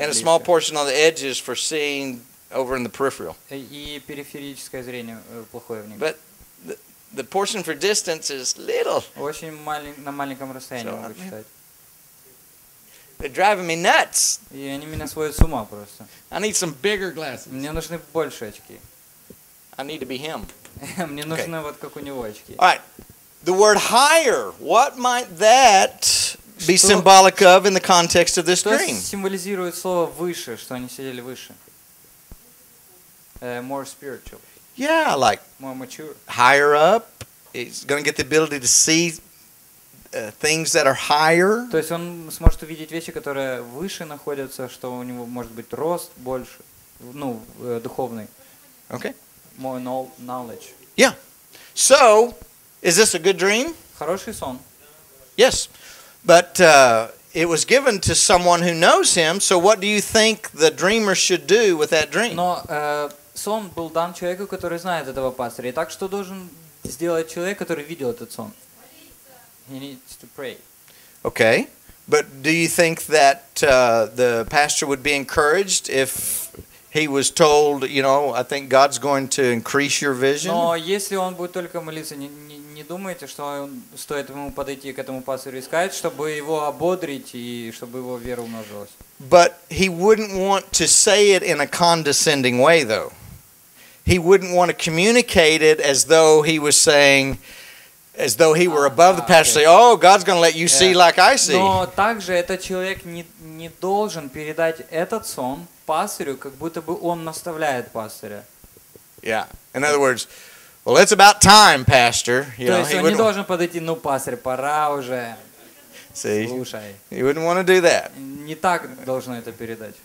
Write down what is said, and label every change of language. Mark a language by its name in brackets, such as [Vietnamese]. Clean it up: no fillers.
[English] And a small portion on the edges for seeing over in the peripheral. [Russian] И периферическое зрение плохое в них. [English] But the portion for distance is little. [Russian] Очень на маленьком расстоянии могу читать. [English] They're driving me nuts. [Russian] И они меня сводят с ума просто. [English] I need some bigger glasses. [Russian] Мне нужны больше очки. [English] I need to be him. [Russian] Мне нужны вот как у него очки. [English] All right. The word higher. What might that be symbolic of in the context of this dream? [Russian] Что символизирует слово выше, что они сидели выше? [English] More spiritual. Yeah, like more mature. Higher up. He's going to get the ability to see things that are higher. [Russian] То есть он сможет увидеть вещи, которые выше находятся, что у него может быть рост больше, ну, духовный. [English] Okay. More knowledge. Yeah. So, is this a good dream? [Russian] Хороший сон. [English] Yes. But it was given to someone who knows him, so what do you think the dreamer should do with that dream? [Russian] Но сон был дан человеку, который знает этого пастыря. Итак, что должен сделать человек, который видел этот сон? [English] He needs to pray. Okay. But do you think that the pastor would be encouraged if he was told, you know, I think God's going to increase your vision? [Russian] Но если он будет только молиться, не думаете, что стоит ему подойти к этому пастору и сказать, чтобы его ободрить и чтобы его вера умножилась? [English] But he wouldn't want to say it in a condescending way, though. He wouldn't want to communicate it as though he was saying, as though he were above the pastor, okay. Say, "Oh, God's going to let you see like I see." [Russian] Но также этот человек не должен передать этот сон пастору, как будто бы он наставляет пастора. [English] Yeah. In other words, well, it's about time, pastor. You [Russian] то [English] know, [Russian] есть он не должен подойти, ну, пастор, пора уже. [English] See. [Russian] Слушай. [English] He wouldn't want to do that. [Russian] Не так должно это передать.